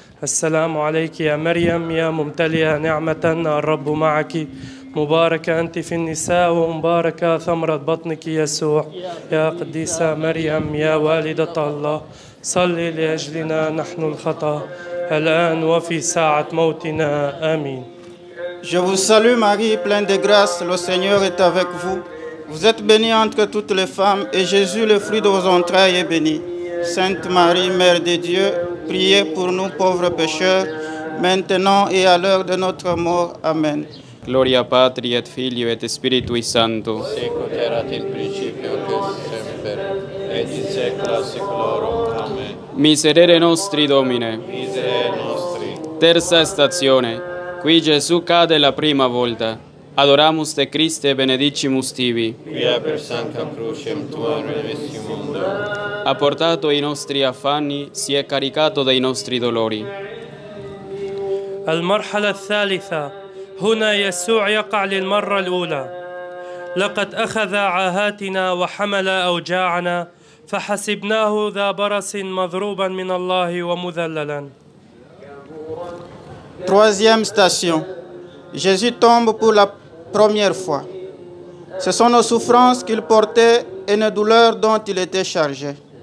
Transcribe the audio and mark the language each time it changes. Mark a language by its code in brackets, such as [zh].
[ar] السلام عليك يا مريم يا ممتلئة نعمة الرب معك، مباركة أنت في النساء ومباركة ثمرة بطنك يسوع. يا قديسة مريم يا والدة الله، صلي لأجلنا نحن الخطأ الآن وفي ساعة موتنا آمين. [fr] Je vous salue Marie, pleine de grâce, le Seigneur est avec vous. Vous êtes bénie entre toutes les femmes et Jésus, le fruit de vos entrailles, est béni. Sainte Marie, Mère de Dieu, priez pour nous pauvres pécheurs, maintenant et à l'heure de notre mort. Amen. [la] Gloria Patri et Filio et Spiritui Sancto. Sicut erat in principio, est semper, et in saecula saeclorum. Amen. Miserere nostri, Domine. Miserere nostri. [it] Terza stazione. Qui Gesù cade la prima volta. [la] Adoramus te, Christe, benedicimus tibi. Quia per sancta crucem tua redemissimum mundo. [it] Ha portato i nostri affanni, si è caricato dei nostri dolori. [ar] Al marhala thalitha. هنا يسوع يقع للمرة الأولى. لقد أخذ عاهاتنا وحمل أوجاعنا، فحسبناه ذا برس مضروبا من الله ومذللا. [fr] Troisième station. Jésus tombe pour la première fois. Ce sont nos souffrances qu'il portait et nos douleurs dont il était chargé.